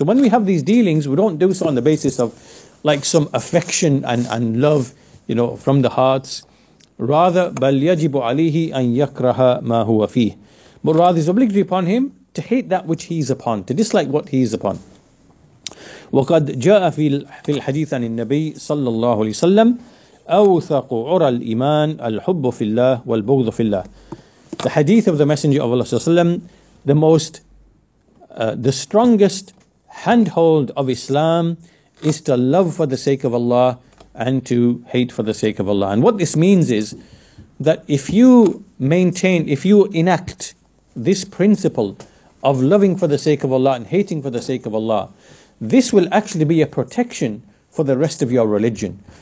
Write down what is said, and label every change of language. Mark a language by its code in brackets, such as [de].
[en] So when we have these dealings, we don't do so on the basis of like some affection and love, you know, from the hearts. Rather, [ar] بَلْ يَجِبُ عَلِيهِ أَنْ يَكْرَهَ مَا هُوَ فِيهِ. [en] But rather, it's obligatory upon him to hate that which he's upon, to dislike what he's upon. [ar] وَقَدْ جَاءَ فِي الْحَدِيثَ عَنِ النَّبِيِّ صَلَّى اللَّهُ عَلَيْهِ وَسَلَّمَ أَوْثَقُ عُرَى الْإِيمَانِ الْحُبُّ فِي اللَّهِ وَالْبُغْضُ فِي اللَّهِ. [en] The hadith of the Messenger of Allah Sallallahu Alaihi Wasallam, the most, the strongest handhold of Islam is to love for the sake of Allah and to hate for the sake of Allah. And what this means is that if you enact this principle of loving for the sake of Allah and hating for the sake of Allah, this will actually be a protection for the rest of your religion.